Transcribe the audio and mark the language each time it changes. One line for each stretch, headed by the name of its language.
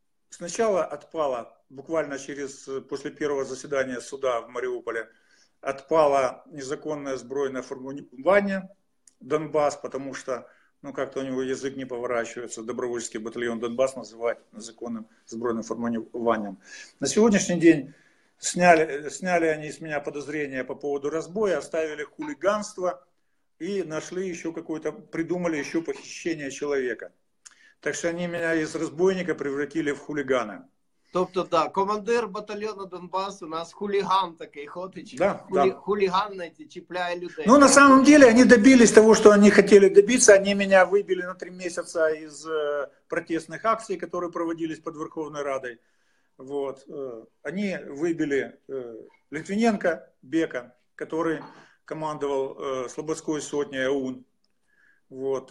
Russian: сначала отпала, буквально через, после первого заседания суда в Мариуполе, отпала незаконное сбройное формирование Донбасс, потому что, ну, как-то у него язык не поворачивается, добровольческий батальон Донбасс называть незаконным сбройным формированием. На сегодняшний день сняли они с меня подозрения по поводу разбоя, оставили хулиганство и нашли еще какое-то, придумали еще похищение человека. Так что они меня из разбойника превратили в хулигана.
Ukrainian: Тобто, да, командир батальйону Донбасу у нас хуліган такий ходить, да, хуліган найти, чіпляє людей.
Russian: Ну, на самом деле, они добились того, что они хотели добиться, они меня выбили на 3 месяца из протестных акций, которые проводились под Верховной Радой. Вот. Они выбили Литвиненко Бека, который командовал Слободской сотней АУН. Вот.